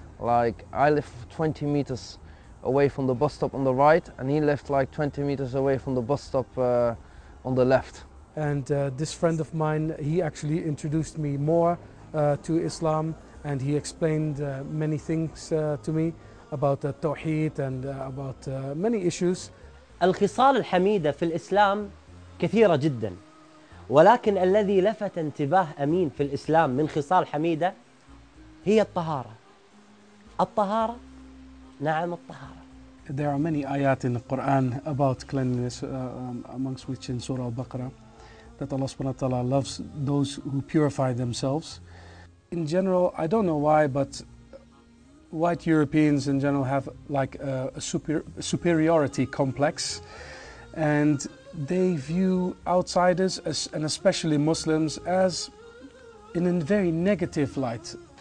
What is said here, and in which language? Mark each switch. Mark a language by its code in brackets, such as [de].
[en] Like, I live 20 meters away from the bus stop on the right, and he left like 20 meters away from the bus stop on the left. And this friend of mine, he actually introduced me more to Islam, and he explained many things to me about the Tawheed and about many issues. [ar] الخصال الحميدة في الإسلام كثيرة جدا ولكن الذي لفت انتباه أمين في الإسلام من خصال حميدة هي الطهارة الطهارة نعم الطهارة. [en] There are many ayat in the Quran about cleanliness, amongst which in Surah Al-Baqarah, that Allah subhanahu wa ta'ala loves those who purify themselves. in general, I don't know why, but white Europeans in general have like a superiority complex, and they view outsiders as, and especially Muslims, as in a very negative light.